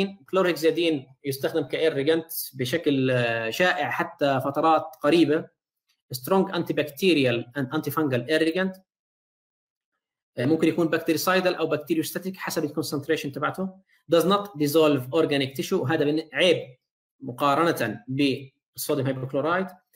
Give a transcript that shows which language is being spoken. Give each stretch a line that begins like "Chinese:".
Arabic: كلوروهكسيدين يستخدم كإيرجنت بشكل شائع حتى فترات قريبة.
English: strong antibacterial and antifungal irrigant
Arabic: ممكن يكون bactericidal أو bacteriostatic حسب concentration تبعته.
English: does not dissolve organic tissue،
Arabic: هذا عيب مقارنة بالصوديوم هيبوكلورايد.